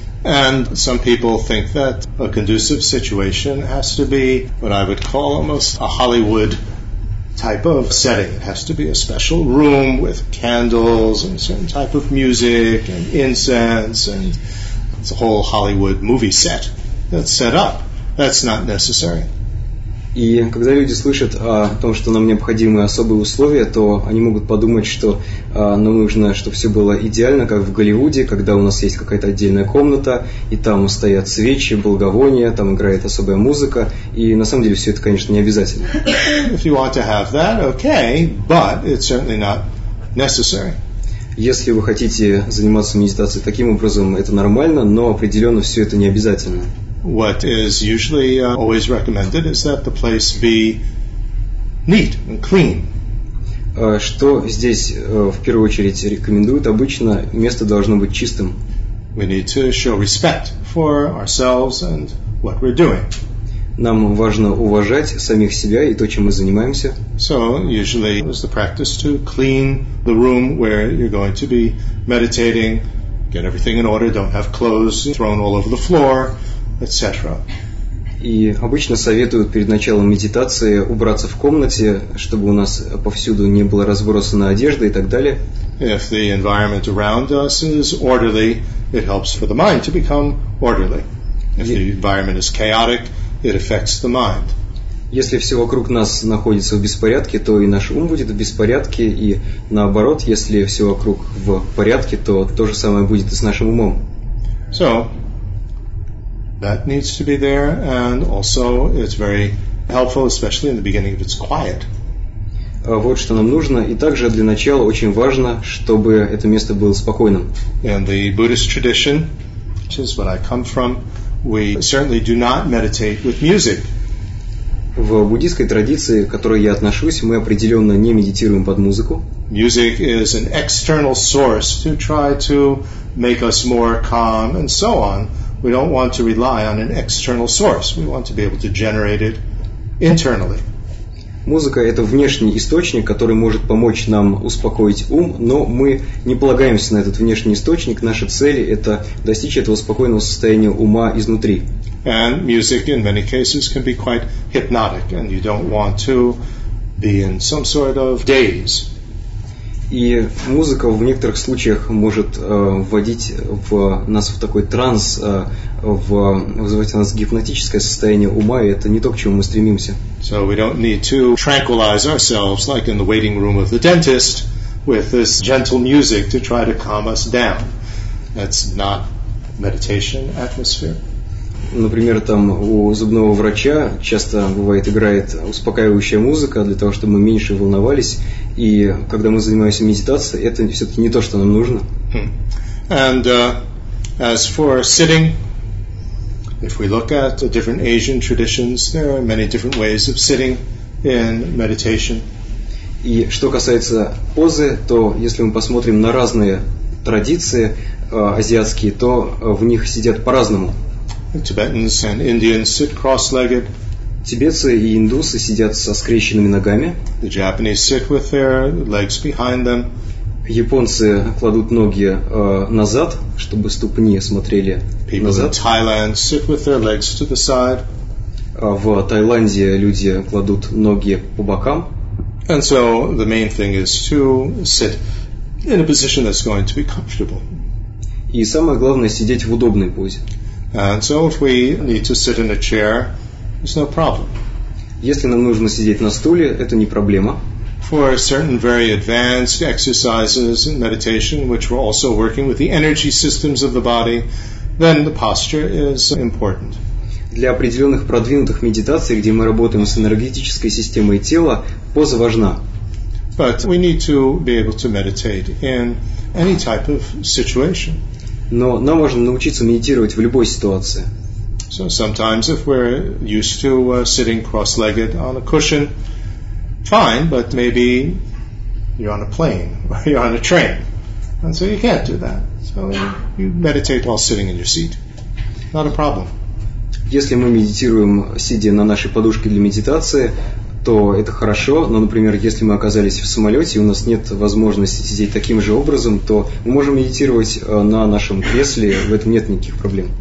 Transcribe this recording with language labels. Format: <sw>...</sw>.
<en>And some people think that a conducive situation has to be what I would call almost a Hollywood type of setting. It has to be a special room with candles and certain type of music and incense, and it's a whole Hollywood movie set that's set up. That's not necessary.</en> <ru>И когда люди слышат о том, что нам необходимы особые условия, то они могут подумать, что нам нужно, чтобы все было идеально, как в Голливуде, когда у нас есть какая-то отдельная комната, и там стоят свечи, благовония, там играет особая музыка, и на самом деле все это, конечно, не обязательно.</ru> <en>If you want to have that, okay, but it's certainly not necessary.</en> <ru>Если вы хотите заниматься медитацией таким образом, это нормально, но определенно все это не обязательно.</ru> <en>What is usually always recommended is that the place be neat and clean.</en> <ru>Что здесь в первую очередь рекомендуют? Обычно место должно быть чистым.</ru> <en>We need to show respect for ourselves and what we're doing.</en> <ru>Нам важно уважать самих себя и то, чем мы занимаемся.</ru> <en>So usually it's the practice to clean the room where you're going to be meditating, get everything in order, don't have clothes thrown all over the floor. Etc.</en> <ru>И обычно советуют перед началом медитации убраться в комнате, чтобы у нас повсюду не было разбросано одежды и так далее.</ru> <en>If the environment around us is orderly, it helps for the mind to become orderly. If the environment is chaotic, it affects the mind.</en> <ru>Если все вокруг нас находится в беспорядке, то и наш ум будет в беспорядке, и наоборот, если все вокруг в порядке, то то же самое будет и с нашим умом.</ru> <en>So, that needs to be there, and also it's very helpful, especially in the beginning, if it's quiet.</en> <ru>Вот что нам нужно, и также для начала очень важно, чтобы это место было спокойным.</ru> <en>In the Buddhist tradition, which is what I come from, we certainly do not meditate with music.</en> <ru>В буддийской традиции, к которой я отношусь, мы определенно не медитируем под музыку.</ru> <en>Music is an external source to try to make us more calm, and so on. We don't want to rely on an external source. We want to be able to generate it internally.</en> <ru>Музыка – это внешний источник, который может помочь нам успокоить ум, но мы не полагаемся на этот внешний источник. Наша цель – это достичь этого спокойного состояния ума изнутри.</ru> <en>And music in many cases can be quite hypnotic, and you don't want to be in some sort of daze.</en> <ru>И музыка в некоторых случаях может вводить в нас в такой транс, вызывать у нас гипнотическое состояние ума, и это не то, к чему мы стремимся.</ru> <en>So we don't need to tranquilize ourselves like in the waiting room of the dentist with this gentle music to try to calm us down. That's not meditation atmosphere.</en> <ru>Например, там у зубного врача часто бывает играет успокаивающая музыка для того, чтобы мы меньше волновались. И когда мы занимаемся медитацией, это все-таки не то, что нам нужно.</ru> <en>And as for sitting, if we look at the different Asian traditions, there are many different ways of sitting in meditation.</en> <ru>И что касается позы, то если мы посмотрим на разные традиции азиатские, то в них сидят по-разному.</ru> <en>Tibetans and Indians sit cross-legged.</en> <ru>Тибетцы и индусы сидят со скрещенными ногами.</ru> <en>The Japanese sit with their legs behind them.</en> <ru>Японцы кладут ноги назад, чтобы ступни смотрели</ru> <en>People</en> <ru>назад.</ru> <en>People in Thailand sit with their legs to the side.</en> <ru>В Таиланде люди кладут ноги по бокам.</ru> <en>And so the main thing is to sit in a position that's going to be comfortable.</en> <ru>И самое главное сидеть в удобной позе.</ru> <en>And so if we need to sit in a chair, it's no problem.</en> <ru>Если нам нужно сидеть на стуле, это не проблема.</ru> <en>For certain very advanced exercises in meditation, which we're also working with the energy systems of the body, then the posture is important.</en> <ru>Для определенных продвинутых медитаций, где мы работаем с энергетической системой тела, поза важна.</ru> <en>But we need to be able to meditate in any type of situation.</en> <ru>Но нам важно научиться медитировать в любой ситуации.</ru> <en>So sometimes if we're used to sitting cross-legged on a cushion, fine, but maybe you're on a plane or you're on a train. And so you can't do that. So you meditate while sitting in your seat. Not a problem.</en> <ru>Если мы медитируем, сидя на нашей подушке для медитации, то это хорошо, но, например, если мы оказались в самолете, и у нас нет возможности сидеть таким же образом, то мы можем медитировать на нашем кресле, в этом нет никаких проблем.</ru>